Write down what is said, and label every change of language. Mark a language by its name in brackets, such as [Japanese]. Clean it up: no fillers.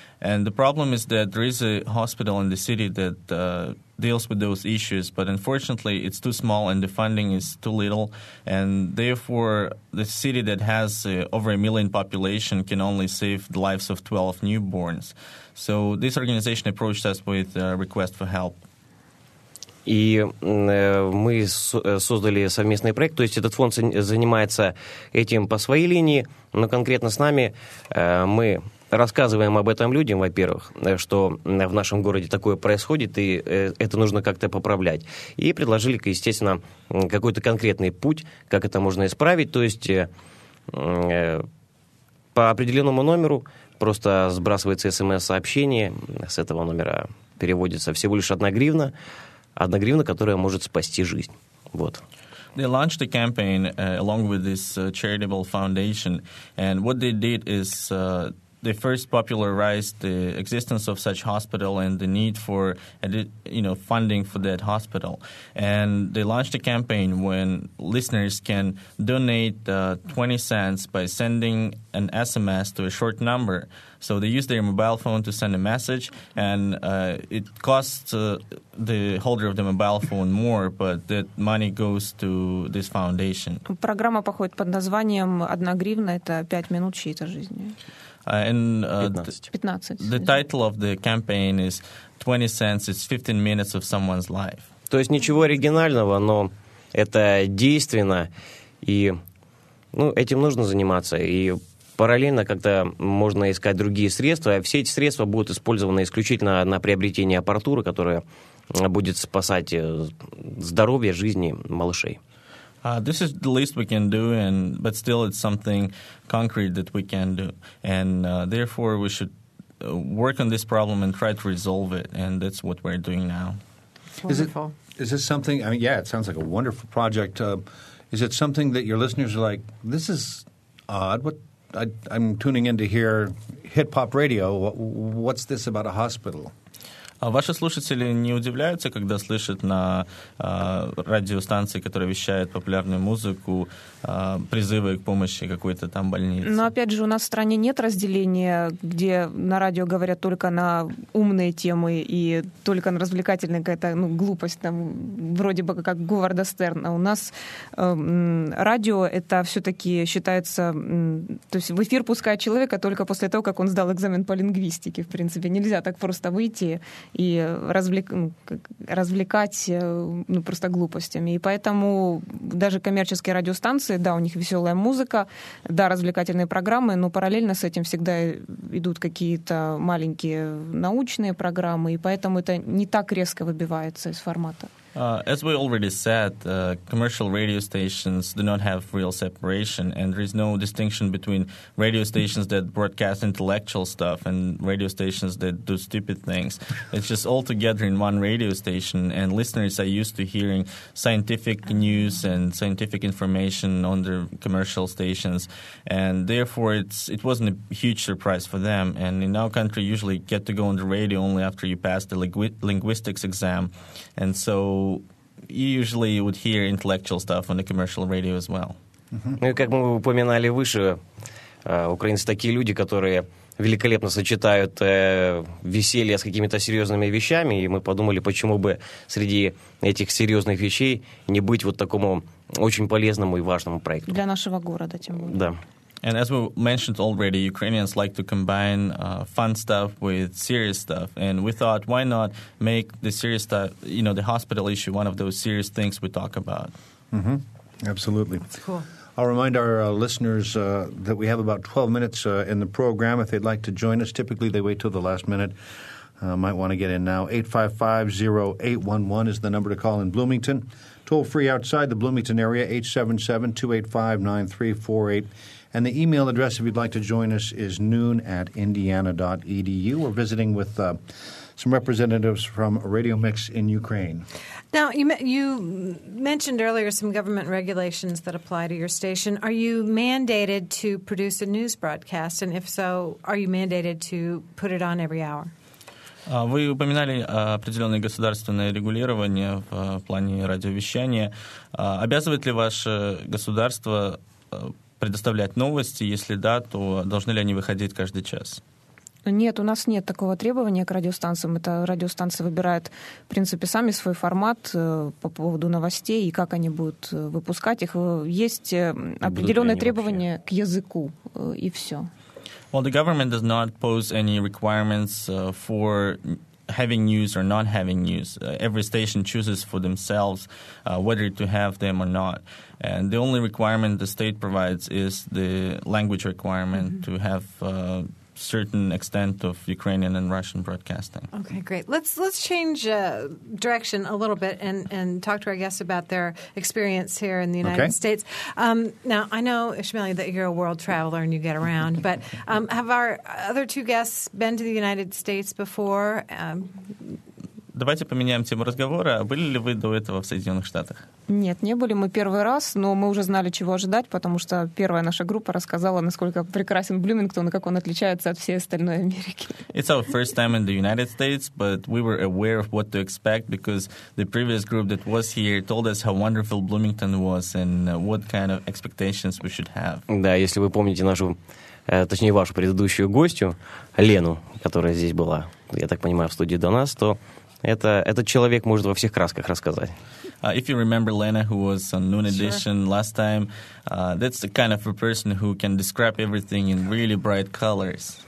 [English] And the problem is that there is a hospital in the city that deals with those issues, but unfortunately it's too small and the funding is too little, and therefore the city that has over a million population can only save the lives of 12 newborns. So this organization approached us with a request for help. [Russian] И мы создали совместный проект, то есть этот фонд занимается этим по своей линии, но конкретно с нами мы рассказываем об этом людям, во-первых, что в нашем городе такое происходит, и это нужно как-то поправлять. И предложили, естественно, какой-то конкретный путь, как это можно исправить. То есть по определенному номеру просто сбрасывается СМС-сообщение, с этого номера переводится всего лишь одна гривна, которая может спасти жизнь. Вот. [English] They launched a campaign along with this charitable foundation, and what they did is... They first popularized the existence of such hospital and the need for, you know, funding for that hospital. And they launched a campaign when listeners can donate 20 cents by sending an SMS to a short number. So they use their mobile phone to send a message, and it costs the holder of the mobile phone more, but that money goes to this foundation. [Russian] Программа походит под названием «Одна гривна – это 5 минут чьей-то жизни». [English] And 15. The title of the campaign is 20 cents, it's 15 minutes of someone's life. [Russian] То есть ничего оригинального, но это действенно, и ну, этим нужно заниматься, и параллельно как-то можно искать другие средства, все эти средства будут использованы исключительно на приобретение аппаратуры, которая будет спасать здоровье, жизни малышей. [English] This is the least we can do, and but still it's something concrete that we can do. And therefore, we should work on this problem and try to resolve it, and that's what we're doing now. Is this something, I mean, yeah, it sounds like a wonderful project. Is it something that your listeners are like, this is odd, I'm tuning in to hear hip-hop radio. What's this about a hospital? [Russian] Ваши слушатели не удивляются, когда слышат на радиостанции, которая вещает популярную музыку, призывы к помощи какой-то там больницы? Но опять же, у нас в стране нет разделения, где на радио говорят только на умные темы и только на развлекательные, какая-то глупость, там, вроде бы как Говарда Стерна. У нас радио это все-таки считается, то есть в эфир пускают человека только после того, как он сдал экзамен по лингвистике, в принципе. Нельзя так просто выйти и развлекать просто глупостями. И поэтому даже коммерческие радиостанции, да, у них веселая музыка, да, развлекательные программы, но параллельно с этим всегда идут какие-то маленькие научные программы, и поэтому это не так резко выбивается из формата. [English] As we already said, commercial radio stations do not have real separation, and there is no distinction between radio stations that broadcast intellectual stuff and radio stations that do stupid things. It's just all together in one radio station, and listeners are used to hearing scientific news and scientific information on their commercial stations, and therefore it wasn't a huge surprise for them. And in our country, you usually get to go on the radio only after you pass the linguistics exam, and so you usually would hear intellectual stuff on the commercial radio as well. [Russian] Ну и как мы упоминали выше, украинцы такие люди, которые великолепно сочетают веселье с какими-то серьезными вещами, и мы подумали, почему бы среди этих серьезных вещей не быть вот такому очень полезному и важному проекту. Для нашего города, тем более. Да. [English] And as we mentioned already, Ukrainians like to combine fun stuff with serious stuff. And we thought, why not make the serious stuff, the hospital issue, one of those serious things we talk about. Mm-hmm. Absolutely. That's cool. I'll remind our listeners that we have about 12 minutes in the program. If they'd like to join us, typically they wait till the last minute. Might want to get in now. 855-0811 is the number to call in Bloomington. Toll free outside the Bloomington area, 877-285-9348. And the email address, if you'd like to join us, is noon@indiana.edu. We're visiting with some representatives from Radio Mix in Ukraine. Now, you mentioned earlier some government regulations that apply to your station. Are you mandated to produce a news broadcast? And if so, are you mandated to put it on every hour? [Russian] Вы упоминали определенные государственные регулирования в плане радиовещания. Обязывает ли ваше государство предоставлять новости? Если да, то должны ли они выходить каждый час? Нет, у нас нет такого требования к радиостанциям. Это радиостанция выбирает, в принципе, сами свой формат по поводу новостей и как они будут выпускать их. Есть определенные требования вообще к языку, и все. [English] Well, the government does not pose any requirements for having news or not having news. Every station chooses for themselves whether to have them or not. And the only requirement the state provides is the language requirement, mm-hmm, to have a certain extent of Ukrainian and Russian broadcasting. Okay, great. Let's change direction a little bit and talk to our guests about their experience here in the United States. Now, I know, Ishmael, that you're a world traveler and you get around, but have our other two guests been to the United States before? [Russian] Давайте поменяем тему разговора. Были ли вы до этого в Соединенных Штатах? Нет, не были. Мы первый раз, но мы уже знали, чего ожидать, потому что первая наша группа рассказала, насколько прекрасен Блумингтон и как он отличается от всей остальной Америки. [English] It's our first time in the United States, but we were aware of what to expect because the previous group that was here told us how wonderful Bloomington was and what kind of expectations we should have. [Russian] Да, если вы помните нашу, точнее, вашу предыдущую гостью, Лену, которая здесь была, я так понимаю, в студии до нас, то этот человек может во всех красках рассказать. [English] If you remember Lena, who was on Noon Edition last time, that's the kind of a person who can describe everything in really bright colors.